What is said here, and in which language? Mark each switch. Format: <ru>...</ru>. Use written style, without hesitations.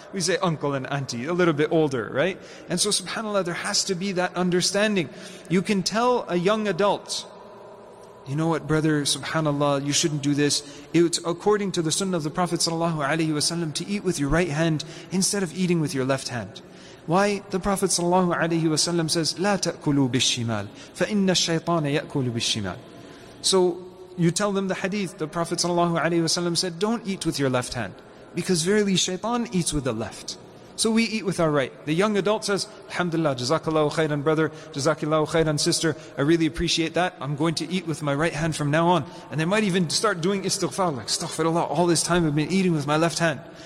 <en>We say uncle and auntie, a little bit older, right? And so subhanAllah, there has to be that understanding. You can tell a young adult, you know what, brother, subhanAllah, you shouldn't do this. It's according to the sunnah of the Prophet sallallahu alaihi wasallam to eat with your right hand instead of eating with your left hand. Why? The Prophet sallallahu alaihi wasallam says,</en> <ar>لا تأكلوا بالشمال فإن الشيطان يأكل بالشمال.</ar> <en>So you tell them the hadith, the Prophet sallallahu alaihi wasallam said, don't eat with your left hand, because verily shaitan eats with the left. So we eat with our right. The young adult says, Alhamdulillah, Jazakallahu khairan, brother, Jazakallahu khairan, sister, I really appreciate that. I'm going to eat with my right hand from now on. And they might even start doing istighfar, like, astaghfirullah, all this time I've been eating with my left hand.</en>